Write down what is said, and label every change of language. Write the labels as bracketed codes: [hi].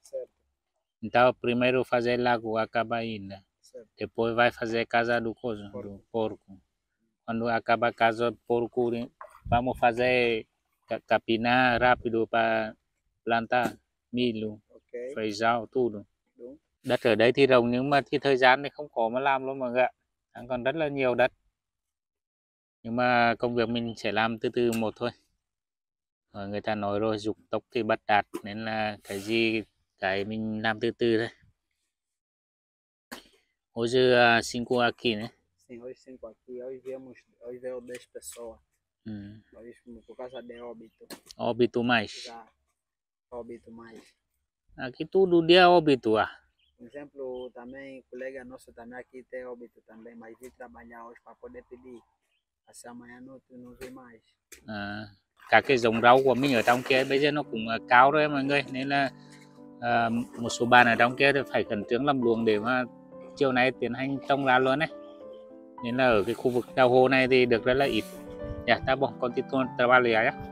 [pt] Certo. Então, primeiro fazer lago, acabar ainda. Certo. Depois vai fazer casa do coso, porco. Do porco. Quando acabar casa do porco, vamos fazer capinar rápido para plantar milho, okay. Feijão, tudo. [vi] Đất ở đây thì rộng nhưng mà thì thời gian thì không có mà làm luôn mọi người ạ. Còn rất là nhiều đất. Nhưng mà công việc mình sẽ làm từ từ một thôi. Rồi người ta nói rồi, dục tốc thì bất đạt. Nên là cái gì, cái mình làm từ từ thôi. [pt] Hoje cinco aqui, né? Sim, hoje cinco aqui. Hoje veio 10 pessoas. Por causa de óbito. Óbito mais. Aqui todo dia óbito, ah. Por exemplo, também um colega nosso também aqui tem óbito também, mas vim trabalhar hoje para poder pedir. Assim amanhã não vem mais. [vi] Cả cái giống rau của mình ở trong kia bây giờ nó cũng cao rồi mọi người. Nên là một số bạn ở trong kia phải khẩn trương làm luồng để mà chiều nay tiến hành trồng ra luôn ấy. Nên là ở cái khu vực đào hồ này thì được rất là ít. Dạ, ta bỏ con tiếp tục trabalho ấy.